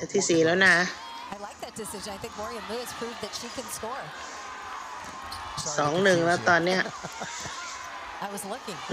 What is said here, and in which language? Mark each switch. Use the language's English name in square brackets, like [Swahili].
[Thai] เซตที่4แล้วนะ [English] I like that decision. I think Morgan Lewis proved that she can score. [Thai] 2-1 แล้วตอนเนี้ย [English] I was looking.